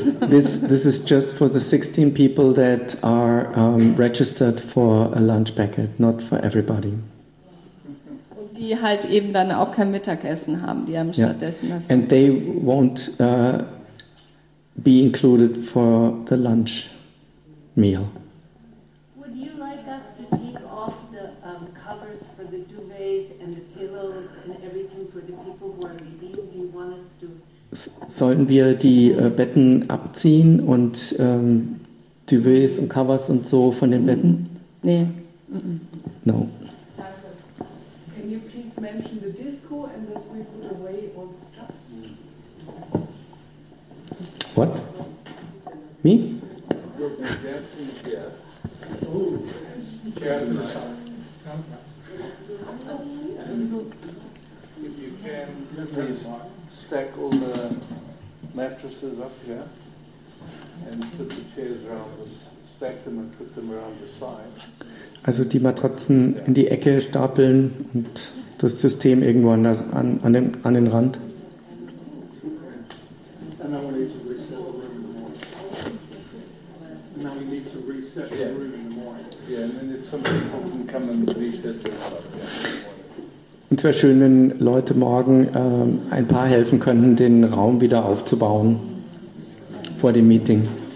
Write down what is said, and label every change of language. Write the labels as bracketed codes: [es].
[en] This is just for the 16 people that are registered for a lunch packet, not for everybody. [de] Und die halt eben dann auch kein Mittagessen haben, die haben stattdessen das. [en] And they won't be included for the lunch meal. Would you like us to take off the covers for the duvets and the pillows and everything for the people who are leaving? Do you want us to... [de] Sollen wir die Betten abziehen und Duvets und Covers und so von den Betten? Nee. [en] No. [de] Danke. [en] Can you please mention the disco and that we put away all the stuff? What? Me? Stack all the mattresses up here and put the chairs around this, stack them and put them around the side. [de] Also die Matratzen in die Ecke stapeln und das System irgendwo an den Rand. [en] And now we need to reset the room in the morning. Yeah, and then if some people can come and reset the room. [de] Und es wäre schön, wenn Leute morgen ein paar helfen könnten, den Raum wieder aufzubauen vor dem Meeting.